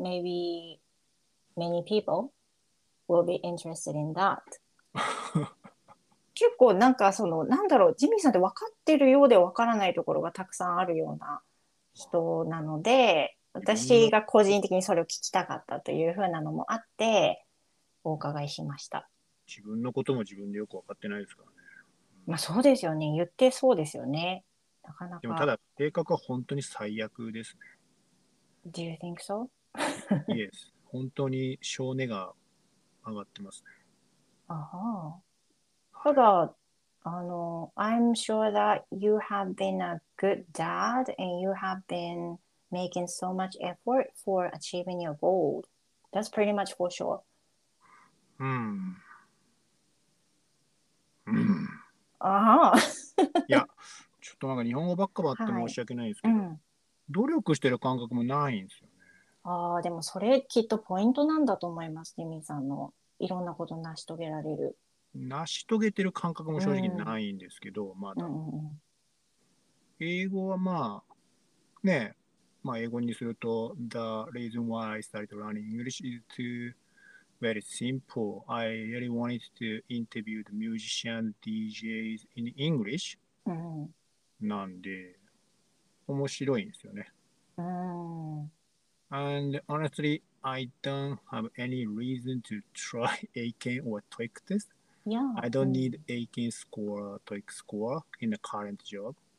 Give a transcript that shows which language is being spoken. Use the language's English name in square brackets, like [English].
[English] Maybe many people will be interested in that. [Japanese] 結構なんかそのなんだろう、ジミーさんって分かってるようで分からないところがたくさんあるような人なので、私が個人的にそれを聞きたかったというふうなのもあってお伺いしました。自分のことも自分でよく分かってないですからね、まあ、そうですよね、言ってそうですよね、なかなか。でもただ性格は本当に最悪ですね。 [English] Do you think so? Yes. [Japanese] 本当に性根が上がってますね。 Uh-huh. ただ、 [English] I'm sure that you have been a good dad and you have been making so much effort for achieving your goal. That's pretty much for sure. [Japanese] いや、ちょっとなんか日本語ばっかばって申し訳ないですけど。努力してる感覚もないんですよね。ああ、でもそれきっとポイントなんだと思います、ジミーさんの。いろんなこと成し遂げられる。成し遂げてる感覚も正直ないんですけど、うん、まだ、うんうん。英語はまあ、ね、まあ英語にすると、 [English] The reason why I started learning English is too very simple. I really wanted to interview the musicians, DJs in English.、うん、 [Japanese] なんで、面白いんですよね。 [English] And honestly, I don't have any reason to try AKEN or TOEIC test. Yeah. I don't need AKEN score, TOEIC score in the current job.